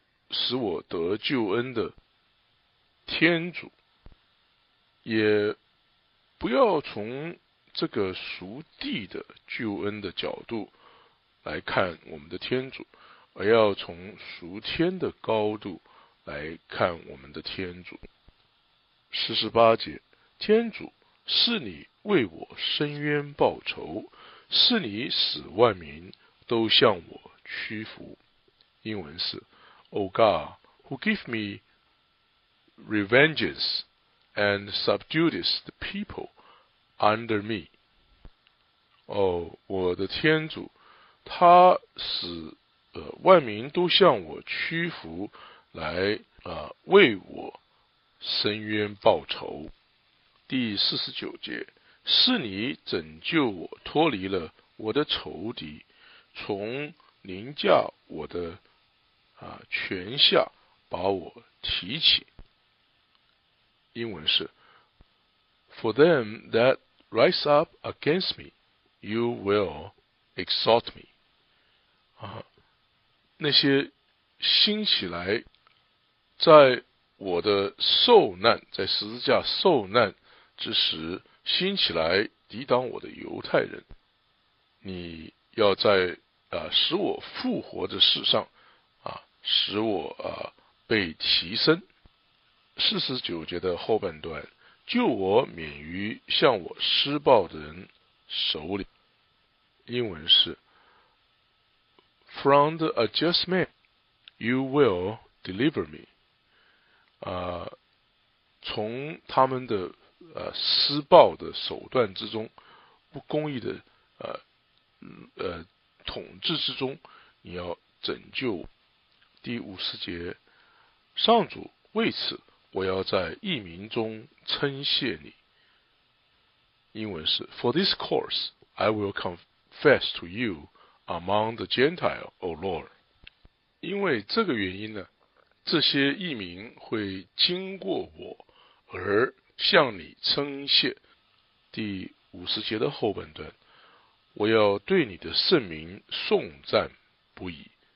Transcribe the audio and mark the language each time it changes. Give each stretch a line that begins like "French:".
Chinese: 使我得救恩的天主，也不要从这个属地的救恩的角度来看我们的天主，而要从属天的高度来看我们的天主。 48节，天主，是你为我伸冤报仇，是你使万民都向我屈服。英文是
English: O God, who give me revenges and subdues the people under me.
Chinese: 我的天主，他使、万民都向我屈服，来、为我伸冤报仇。第49节，是你拯救我，脱离了我的仇敌，从凌驾我的、权下把我提起。英文是
English: For them that rise up against me, you will exalt me.
Chinese: 那些兴起来在我的受难，在十字架受难之时兴起来抵挡我的犹太人，你要在、使我复活的事上、使我、被提升。 49节的后半段，救我免于向我施暴的人手里。英文是
English: From the unjust man, you will deliver me.、
Chinese: 从他们的、施暴的手段之中，不公义的、统治之中，你要拯救我。第50节，上主，为此我要在义民中称谢你。英文是
English: For this cause, I will confess to you. Among the Gentile, O Lord.
Chinese: 因为这个原因呢，这些义民会经过我而向你称谢。第50节的后半段，我要对你的圣名颂赞不已。